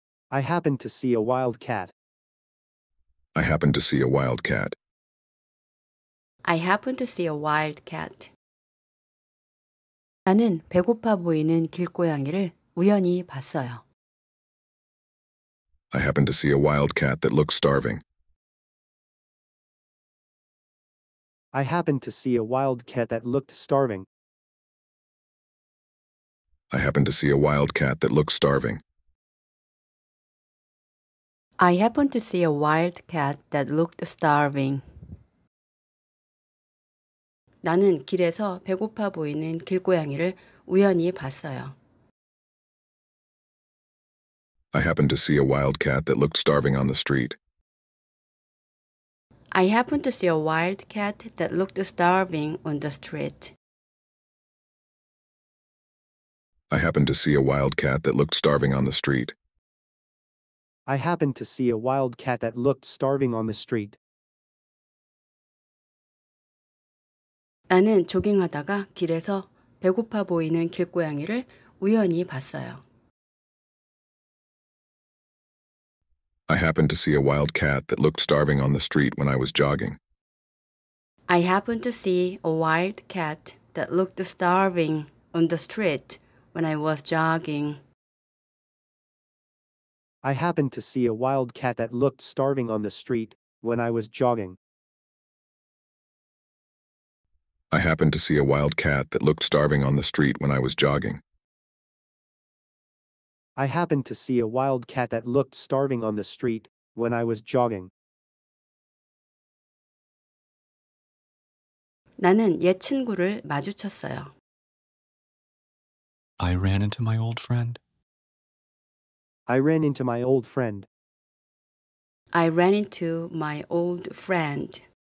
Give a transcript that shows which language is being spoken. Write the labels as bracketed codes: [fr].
[en] I happened to see a wild cat. I happened to see a wild cat. I happened to see a wild cat. [ko] 나는 배고파 보이는 길고양이를 우연히 봤어요. [en] I happened to see a wild cat that looks starving. I happened to see a wild cat that looked starving. I happened to see a wild cat that looks starving. I happened to see a wild cat that looked starving. [ko] 나는 길에서 배고파 보이는 길고양이를 우연히 봤어요. [en] I happened to see a wild cat that looked starving on the street. I happened to see a wild cat that looked starving on the street. I happened to see a wild cat that looked starving on the street. I happened to see a wild cat that looked starving on the street. [ko] 나는 조깅하다가 길에서 배고파 보이는 길고양이를 우연히 봤어요. [en] I happened to see a wild cat that looked starving on the street when I was jogging. I happened to see a wild cat that looked starving on the street when I was jogging. I happened to see a wild cat that looked starving on the street when I was jogging. I happened to see a wild cat that looked starving on the street when I was jogging. I happened to see a wild cat that looked starving on the street when I was jogging. [ko] 나는 옛 친구를 마주쳤어요. [en] I ran into my old friend. I ran into my old friend. I ran into my old friend.